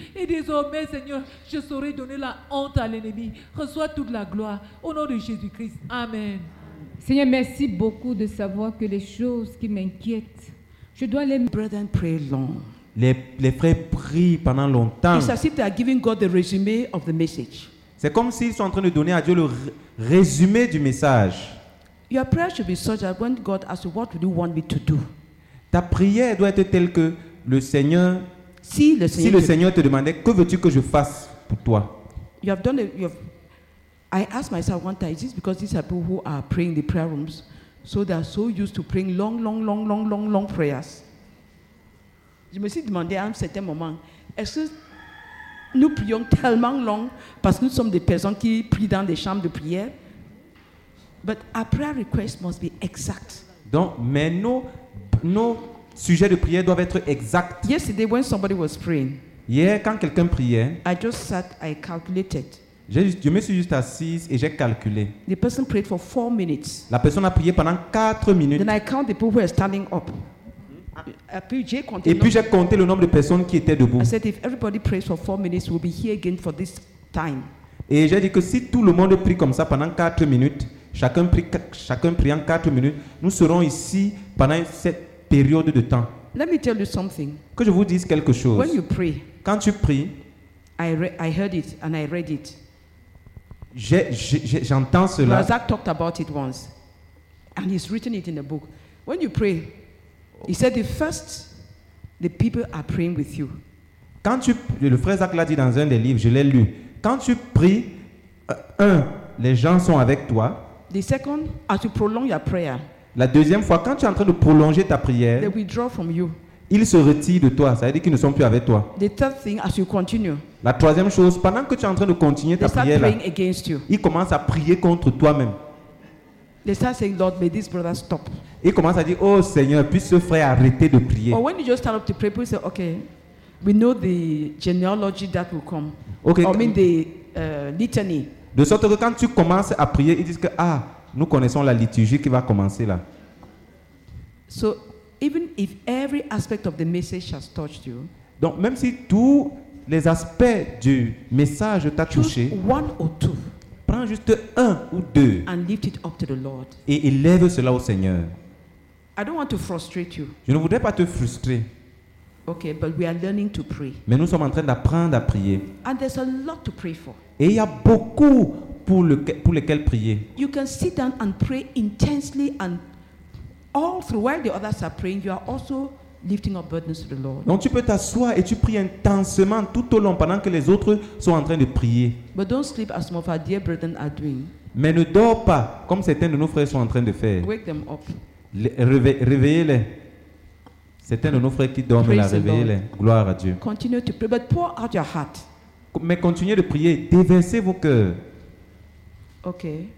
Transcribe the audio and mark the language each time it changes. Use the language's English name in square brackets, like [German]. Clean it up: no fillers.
[French] Et désormais, Seigneur, je saurai donner la honte à l'ennemi. Reçois toute la gloire. Au nom de Jésus-Christ. Amen. Seigneur, merci beaucoup de savoir que les choses qui m'inquiètent, je dois les... [English] Brethren, pray long. [French] Les frères prient pendant longtemps. [English] It's as if they are giving God the resume of the message. [French] C'est comme s'ils sont en train de donner à Dieu le résumé du message. [English] Your prayer should be such that when God asks you, what do you want me to do? [French] Ta prière doit être telle que le Seigneur... Si le Seigneur te demandait, que veux-tu que je fasse pour toi? [English] I asked myself one time, is this because these are people who are praying in the prayer rooms, so they are so used to praying long, long, long, long, long, long prayers. [French] Je me suis demandé à un certain moment, est-ce que nous prions tellement long parce que nous sommes des personnes qui prient dans des chambres de prière? [English] But our prayer request must be exact. [French] Donc, mais nos sujets de prière doivent être exacts. [English] Yesterday, when somebody was praying, [French] hier, quand quelqu'un priait, [English] I just sat, I calculated. [French] Je me suis juste assise et j'ai calculé. [English] The person prayed for 4 minutes. [French] La personne a prié pendant 4 minutes. [English] Then I count the people who are standing up. [French] Et puis j'ai compté le nombre de personnes qui étaient debout. [English] I said if everybody prays for 4 minutes, we'll be here again for this time. [French] Et j'ai dit que si tout le monde prie comme ça pendant 4 minutes, chacun priant 4 minutes, nous serons ici pendant cette période de temps. [English] Let me tell you something. [French] Que je vous dise quelque chose. [English] When you pray, [French] quand tu pries, [English] I heard it and I read it. [French] J'entends cela. [English] Razak talked about it once, and he's written it in a book. When you pray, he said the first, the people are praying with you. [French] Quand tu, le frère Zach l'a dit dans un des livres, je l'ai lu. Quand tu pries, un, les gens sont avec toi. [English] The second, as you prolong your prayer. [French] La deuxième fois, quand tu es en train de prolonger ta prière, [English] they withdraw from you. [French] Ils se retirent de toi, ça veut dire qu'ils ne sont plus avec toi. [English] The third thing, as you continue, [French] la troisième chose, pendant que tu es en train de continuer ta prière, [English] start praying against you. [French] Ils commencent à prier contre toi-même. [English] They start saying, Lord, may this brother stop. [French] Ils commencent à dire, oh Seigneur, puisse ce frère arrêter de prier. [English] Or when you just start up to pray, people say, okay, we know the genealogy that will come. Okay. Or I mean the litany. [French] De sorte que quand tu commences à prier, ils disent que ah, nous connaissons la liturgie qui va commencer là. [English] So even if every aspect of the message has touched you, [French] donc même si tous les aspects du message t'a touché, [English] one or two, [French] prends juste un ou deux [English] and lift it up to the Lord. [French] Et élève cela au Seigneur. [English] I don't want to frustrate you. [French] Je ne voudrais pas te frustrer. [English] Okay, but we are learning to pray. [French] Mais nous sommes en train d'apprendre à prier. [English] And there's a lot to pray for. [French] Et il y a beaucoup pour lesquels prier. [English] You can sit down and pray intensely and all through while the others are praying, you are also lifting up burdens to the Lord. [French] Donc tu peux t'asseoir et tu pries intensément tout au long pendant que les autres sont en train de prier. [English] But don't sleep as some of our dear brethren are doing. [French] Mais ne dors pas comme certains de nos frères sont en train de faire. [English] Wake them up. [French] Réveillez-les. Certains de nos frères qui dorment, réveillez-les. Gloire à Dieu. [English] Continue to pray, but pour out your heart. [French] Mais continuez de prier. Déversez vos cœurs. [English] Okay.